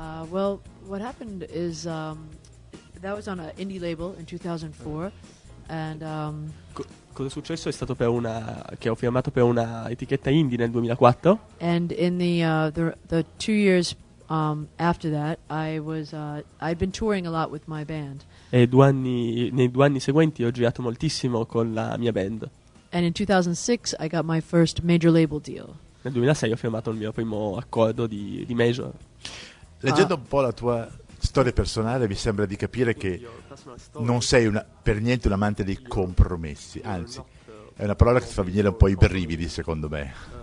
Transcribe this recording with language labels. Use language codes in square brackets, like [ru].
[en] Well, what happened is that was on an indie label in 2004, and [it] cosa è successo? È stato per una che ho firmato per una etichetta indie nel 2004. [en] And in the 2 years after that, I'd been touring a lot with my band. [it] E nei due anni seguenti ho girato moltissimo con la mia band. [en] And in 2006 I got my first major label deal. [it] Nel 2006 ho firmato il mio primo accordo di major. Leggendo un po' la tua storia personale, mi sembra di capire che non sei per niente un amante dei compromessi, anzi, è una parola che ti fa venire un po' i brividi, secondo me.